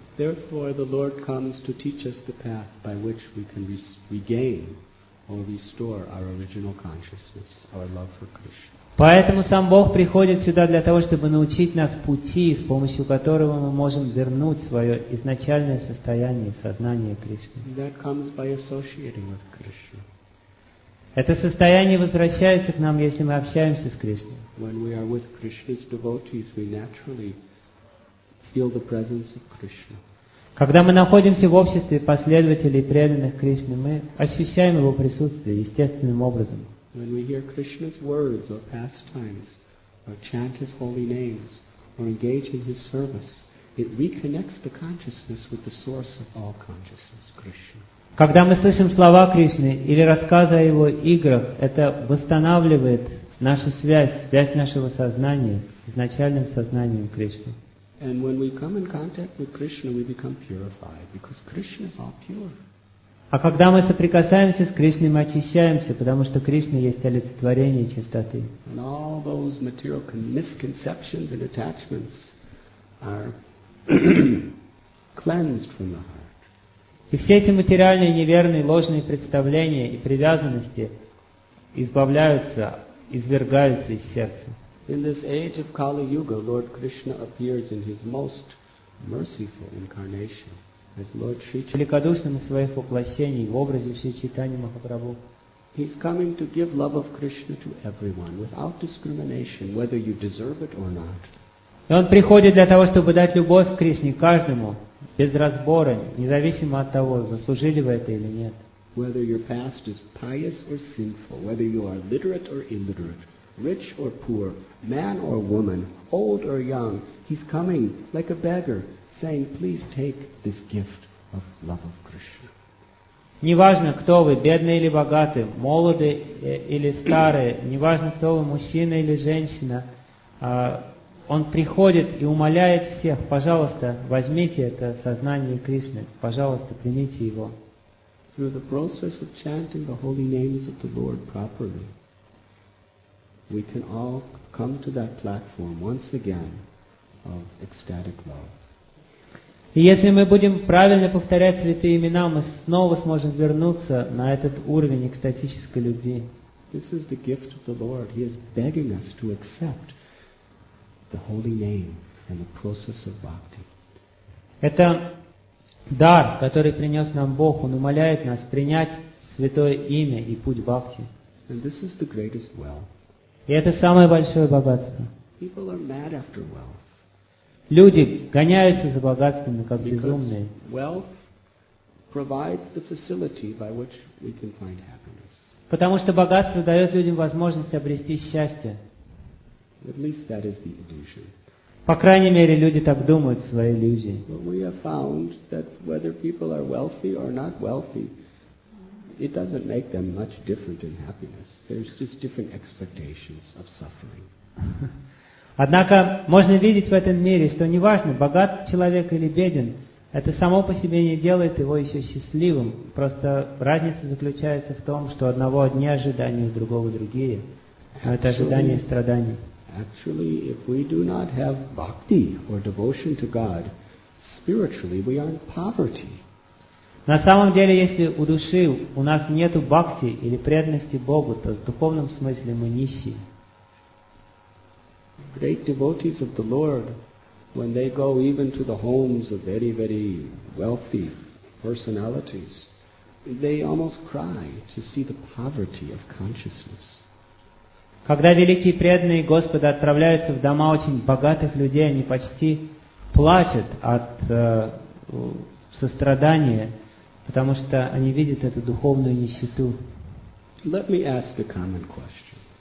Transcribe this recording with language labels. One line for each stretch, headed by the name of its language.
English: Therefore, the Lord comes to teach us the path by which we can regain or restore our original consciousness, our love for Krishna.
Russian: Поэтому сам Бог приходит сюда для того, чтобы научить нас пути, с помощью которого мы можем вернуть свое изначальное состояние сознания Кришны.
English: That comes by associating with Krishna.
Russian: Это состояние возвращается к нам, если мы общаемся с Кришной.
English: When we are with Krishna's devotees, we naturally feel the presence of Krishna.
Russian: Когда мы находимся в обществе последователей преданных Кришны, мы ощущаем его присутствие естественным образом.
English: When we hear Krishna's words or pastimes, or chant his holy names, or engage in his service, it reconnects the consciousness with the source of all consciousness, Krishna.
Russian: Когда мы слышим слова Кришны или рассказы о его играх, это восстанавливает нашу связь, связь нашего сознания с изначальным сознанием Кришны.
English: And when we come in contact with Krishna, we become purified, because Krishna is all pure.
Russian: А когда мы соприкасаемся с Кришной, мы очищаемся, потому что Кришна есть олицетворение чистоты.
English: And all those material misconceptions and attachments are cleansed from the heart.
Russian: И все эти материальные, неверные, ложные представления и привязанности избавляются, извергаются из сердца.
English: In this age of Kali Yuga, Lord Krishna appears in his most merciful incarnation. As Lord Shri
Russian: великодушным из своих воплощений в образе Шри Чайтаньи Махапрабху.
English: He's coming to give love of Krishna to everyone without discrimination, whether you deserve it or not.
Russian: И он приходит для того, чтобы дать любовь к Кришне каждому без разбора, независимо от того, заслужили вы это или нет.
English: Whether your past is pious or sinful, whether you are literate or illiterate, rich or poor, man or woman, old or young, he's coming like a beggar. Saying, please take this gift of love of Krishna.
Russian: Неважно, кто вы, бедный или богатый, молодый или старый, неважно, кто вы, мужчина или женщина, он приходит и умоляет всех, пожалуйста, возьмите это сознание Кришны, пожалуйста, примите его.
English: Through the process of chanting the holy names of the Lord properly, we can all come to that platform once again of ecstatic love.
Russian: И если мы будем правильно повторять святые имена, мы снова сможем вернуться на этот уровень экстатической любви.
English: This is the gift of the Lord. He is begging us to accept the holy name and the process of bhakti.
Russian: Это дар, который принес нам Бог. Он умоляет нас принять святое имя и путь бхакти.
English: And this is the greatest wealth.
Russian: И это самое большое богатство.
English: People are mad after wealth.
Russian: Люди гоняются за богатствами, как безумные.
English: Wealth provides the facility by which we can find happiness.
Russian: Потому что богатство дает людям возможность обрести счастье.
English: At least that is the illusion.
Russian: По крайней мере, люди так думают в своей иллюзии.
English: But we have found that whether people are wealthy or not wealthy, it doesn't make them much different in happiness. There's just different expectations of suffering.
Russian: Однако можно видеть в этом мире, что неважно, богат человек или беден, это само по себе не делает его еще счастливым. Просто разница заключается в том, что одного одни ожидания, у другого другие. Но это ожидания и страдания.
English: Actually, if we do not have bhakti or devotion to God, spiritually we are in poverty.
Russian: На самом деле, если у души у нас нету бхакти или преданности Богу, то в духовном смысле мы нищие.
English: Great devotees of the Lord, when they go even to the homes of very, very wealthy personalities, they almost cry to see the poverty of consciousness.
Russian: Когда великие преданные Господа отправляются в дома очень богатых людей, они почти плачут от сострадания, потому что они видят эту духовную нищету.
English: Let me ask a common question.